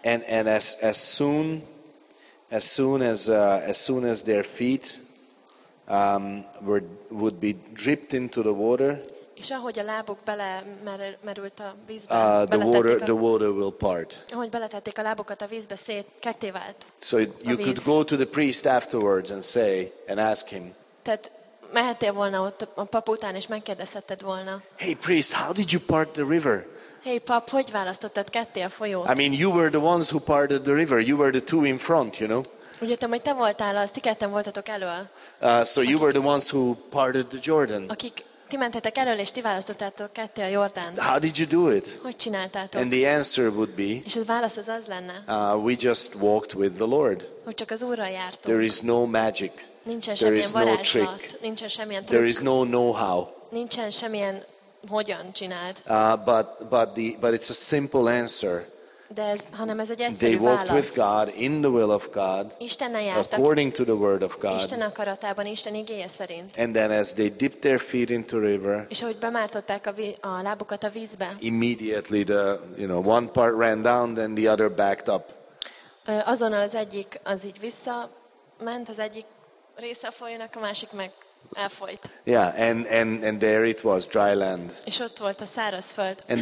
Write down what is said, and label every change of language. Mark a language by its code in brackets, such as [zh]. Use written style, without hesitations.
[en] And as soon as their feet would be dripped into the water. [hu] És ahogy a lábuk belemerült a vízbe, [en] the water will part. [hu] Ahogy beletették a lábukat a vízbe, ketté vált. [en] So you could go to the priest afterwards and ask him. [hu] Tehát mehettél volna ott a pap után és megkérdezhetted volna. [en] Hey priest, how did you part the river? [hu] Hey pap, hogy választottad ketté a folyót? [en] I mean, you were the ones who parted the river. You were the two in front, you know. [hu] Úgy értem, hogy te voltál, az ti ketten voltatok elől. [en] So you were the ones who parted the Jordan. [hu] Akik ti mentetek elől, és ti választottátok ketté a Jordánt. [en] How did you do it? [hu] Hogy csináltátok? [en] And the answer would be. [hu] És a válasz az lenne. [en] We just walked with the Lord. [hu] Hogy csak az Úrral jártunk. [en] There is no magic. [hu] Nincsen semmilyen varázslat. Nincsen semmilyen trükk. [en] There is no know-how. [hu] Nincsen semmilyen hogyan csináld. [en] But it's a simple answer. [hu] De ez, hanem ez egy egyszerű [en] they walked [hu] válasz. [en] With God in the will of God, according to the word of God. [hu] Isten akaratában, Isten igéje szerint. [en] And then as they dipped their feet into the river, [hu] és ahogy bemártották a lábukat a vízbe, [en] immediately the one part ran down, then the other backed up. [hu] Azonnal az egyik az így vissza ment, az egyik része folyónak, a másik meg elfolyt. [en] Yeah, and there it was, dry land. [hu] És ott volt a száraz föld.